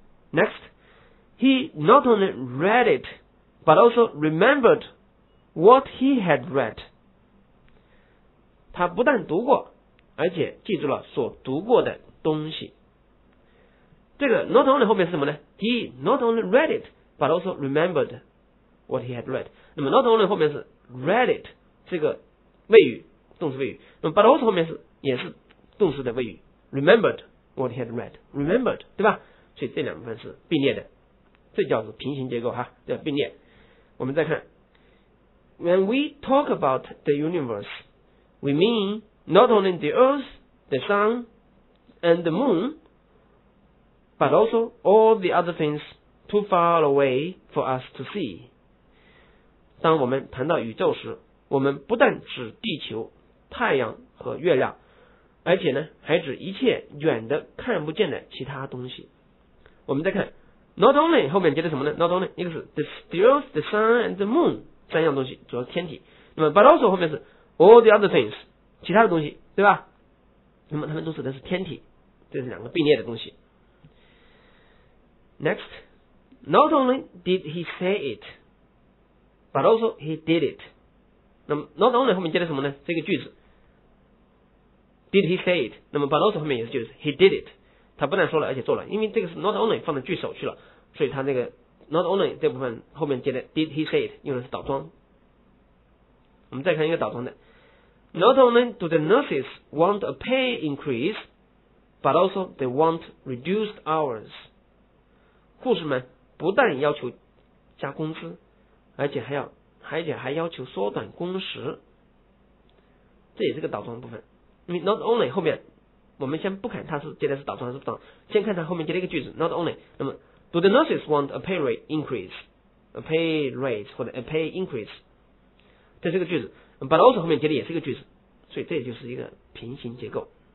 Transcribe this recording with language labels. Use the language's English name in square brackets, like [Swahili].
[English] Next, he not only read it, but also remembered what he had read. [Chinese] 他不但读过，而且记住了所读过的东西。这个 not only 后面是什么呢？ [English] He not only read it, but also remembered what he had read. [Chinese] 那么 not only 后面是 [English] read it, [Chinese] 这个谓语，动词谓语。那么 but also 后面是也是动词的谓语， [English] remembered what he had read, remembered, [Chinese] 对吧？所以这两部分是并列的，这叫做平行结构哈，叫并列。我们再看 [English] ，When we talk about the universe, we mean not only the Earth, the Sun, and the Moon, but also all the other things too far away for us to see. [Chinese] 当我们谈到宇宙时，我们不但指地球、太阳和月亮，而且呢，还指一切远的看不见的其他东西。我们再看 ，not only 后面接的什么呢 ？not only 一个是 [English] the stars, the sun and the moon [Chinese] 三样东西，主要是天体。那么 but also 后面是 [English] all the other things [Chinese] 其他的东西，对吧？那么它们都指的是天体，这是两个并列的东西。 [English] Next, not only did he say it, but also he did it. [Chinese] 那么 not only 后面接的什么呢？这个句子 [English] did he say it? [Chinese] 那么 but also 后面也是句子 [English] he did it. [Chinese] 他不但说了而且做了，因为这个是 not only 放在句首去了，所以他那个 not only 这部分后面接的 [English] did he say it [Chinese] 用的是倒装。我们再看一个倒装的 [English] not only do the nurses want a pay increase but also they want reduced hours， [Chinese] 护士们不但要求加工资，而且还要求缩短工时，这也是个倒装的部分。因为 not only 后面我们先不看它是接的是倒装还是不倒，先看它后面接了一个句子 not only。那么 [English] do the nurses want a pay rate increase， a pay rate [Chinese] 或者 [English] a pay increase， [Chinese] 这是个句子， but also 后面接的也是一个句子，所以这就是一个平行结构。